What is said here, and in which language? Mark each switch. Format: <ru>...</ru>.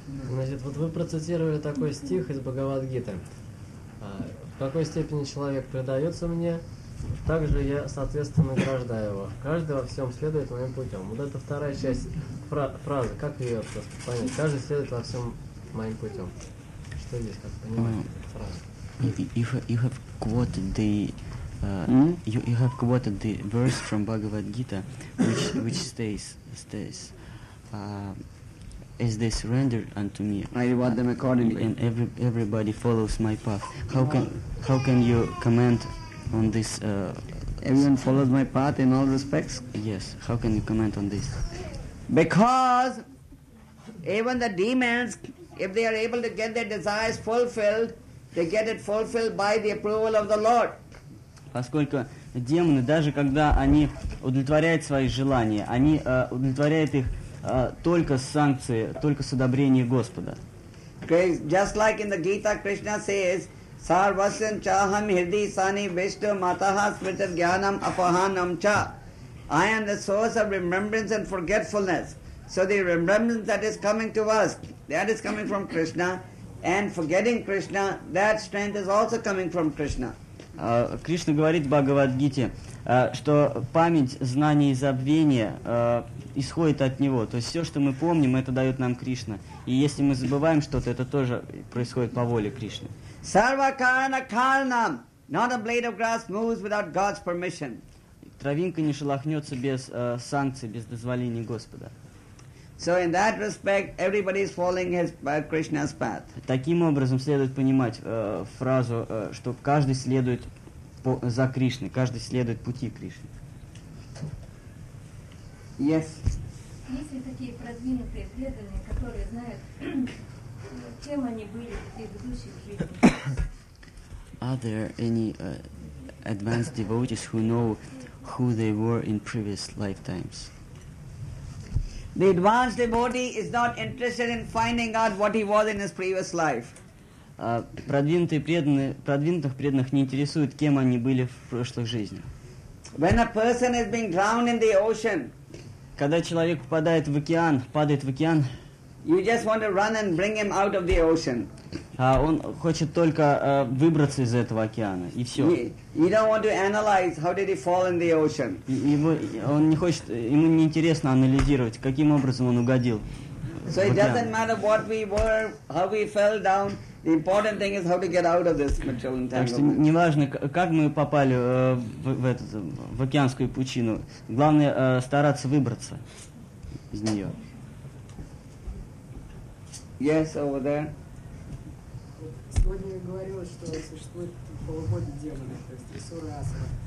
<ru>Значит, вот вы процитировали такой стих из Бхагавад-гиты. В какой степени человек предается мне, так же я, соответственно, награждаю его. Каждый во всем следует моим путем. Вот это вторая часть фразы. Как ее просто понять? Каждый следует во всем моим путем. Что здесь, как понимаете? Фраза.</ru> <en>You have quoted the verse from Bhagavad Gita, which states, as they surrender unto me, I reward them accordingly, and everybody follows my path. How can you comment on this? Everyone follows my path in all respects. Yes. How can you comment on this? Because even the demons, if they are able to get their desires fulfilled, they get it fulfilled by the approval of the Lord.</en> <ru>Поскольку демоны, даже когда они удовлетворяют свои желания, они удовлетворяют их только с санкции, только с одобрения Господа.</ru> <en>Just like in the Gita, Krishna says,</en> <sa>Sarvasyam chaham hirdi sani vishtu mataha smritir jnanam apahanam cha.</sa> <en>I am the source of remembrance and forgetfulness. So the remembrance that is coming to us, that is coming from Krishna, and forgetting Krishna, that strength is also coming from Krishna.</en> <ru>Кришна говорит в Бхагавад-гите, что память, знание и забвение исходит от Него. То есть все, что мы помним, это дает нам Кришна. И если мы забываем что-то, это тоже происходит по воле Кришны.</ru> <sa>Sarva karana karanam.</sa> <en>Not a blade of grass moves without God's permission.</en> <ru>Травинка не шелохнется без санкций, без дозволения Господа.</ru> <en>So in that respect, everybody is following his Krishna's path.</en> <ru>Таким образом следует понимать фразу, что каждый следует за Кришной, каждый следует пути Кришны.</ru> <en>Yes.</en> <ru>Если такие продвинутые преданные, которые знают, кем они были в предыдущих жизнях.</ru> <en>Are there any advanced devotees who know who they were in previous lifetimes? The advanced devotee is not interested in finding out what he was in his previous life.</en> <ru>Продвинутых преданных не интересует, кем они были в прошлых жизнях.</ru> <en>When a person is being drowned in the ocean,</en> <ru>когда человек попадает в океан, падает в океан,</ru> <en>you just want to run and bring him out of the ocean.</en> <ru>Он хочет только выбраться из этого океана, и все.</ru> <en>You don't want to analyze how did he fall in the ocean.</en> <ru>Он не хочет, ему не интересно анализировать, каким образом он угодил.</ru> <en>So it doesn't matter what we were, how we fell down. The important thing is how to get out of this material entanglement.</en> <ru>Так что не важно, как мы попали в океанскую пучину. Главное стараться выбраться из нее.</ru> <en>Yes, over there.</en> <ru>Сегодня говорилось, что существует полубоги демоны, то есть асуры и асуры.</ru>